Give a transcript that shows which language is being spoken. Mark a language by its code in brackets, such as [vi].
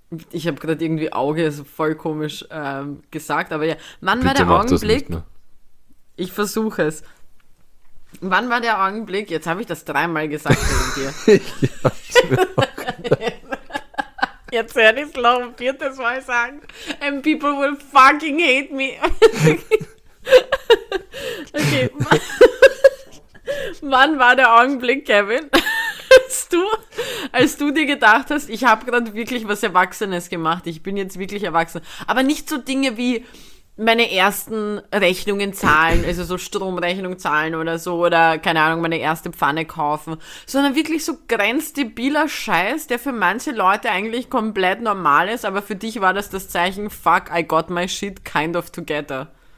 [de] Ich habe gerade irgendwie Auge so voll komisch gesagt, aber ja. Wann war der Augenblick? Ich versuche es. Wann war der Augenblick? Jetzt habe ich das dreimal gesagt wegen dir. Jetzt werde ich es noch ein viertes Mal sagen. [en] And people will fucking hate me. Okay. [de] Wann war der Augenblick, Kevin, als du dir gedacht hast, ich habe gerade wirklich was Erwachsenes gemacht, ich bin jetzt wirklich erwachsen. Aber nicht so Dinge wie meine ersten Rechnungen zahlen, also so Stromrechnung zahlen oder so, oder keine Ahnung, meine erste Pfanne kaufen, sondern wirklich so grenzdebiler Scheiß, der für manche Leute eigentlich komplett normal ist, aber für dich war das Zeichen, fuck, I got my shit kind of together.